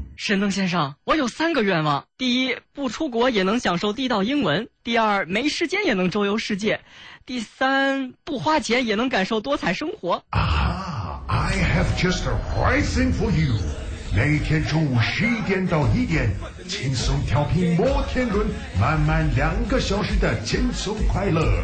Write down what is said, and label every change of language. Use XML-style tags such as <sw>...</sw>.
<zh>神灯先生，我有三个愿望：第一，不出国也能享受地道英文；第二，没时间也能周游世界；第三，不花钱也能感受多彩生活。</zh> <en>I have just the right thing for you。</en> <zh>每天中午11点到1点，轻松调频摩天轮，满满2个小时的轻松快乐。</zh>